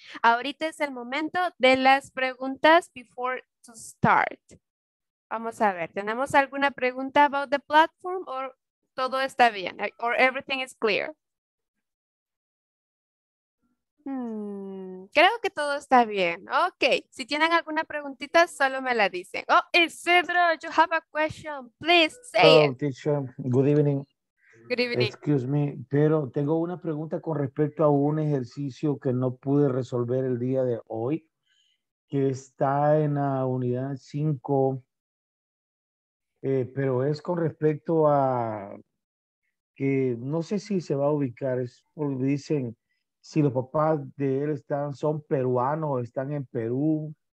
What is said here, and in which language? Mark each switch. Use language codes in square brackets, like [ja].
[es] Ahorita es el momento de las preguntas [en] before to start. [es] Vamos a ver, ¿tenemos alguna pregunta [en] about the platform [es] o todo está bien? [en] ¿Or everything is clear? [es] Creo que todo está bien. Ok, si tienen alguna preguntita, solo me la dicen. [en] Oh, Isidro, you have a question. Please say it. Hello, teacher. Good evening. Good evening. Excuse me, [es] pero tengo una pregunta con respecto a un ejercicio que no pude resolver el día de hoy, que está en la unidad 5, pero es con respecto a que no sé si se va a ubicar, es porque dicen si los papás de él están, son peruanos, están en Perú.